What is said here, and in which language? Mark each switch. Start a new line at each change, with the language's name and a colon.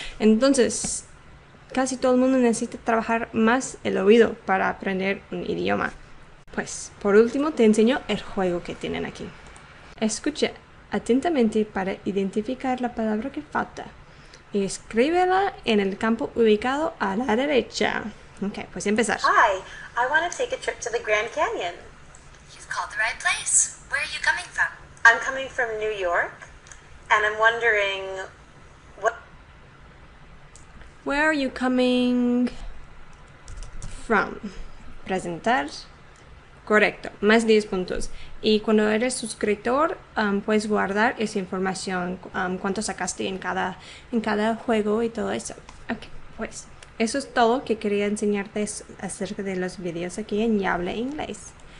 Spanish: Entonces, casi todo el mundo necesita trabajar más el oído para aprender un idioma. Pues, por último, te enseño el juego que tienen aquí. Escucha atentamente para identificar la palabra que falta y escríbela en el campo ubicado a la derecha. Ok, pues empezar.
English: Hi, I want to take a trip to the Grand Canyon. You've called the right place. Where are you coming from? I'm coming from New York, and I'm wondering Where are you coming from?
Spanish: Presentar. Correcto, más 10 puntos. Y cuando eres suscriptor, puedes guardar esa información, cuánto sacaste en cada juego y todo eso. Ok, pues eso es todo que quería enseñarte acerca de los videos aquí en Ya Hablé Inglés.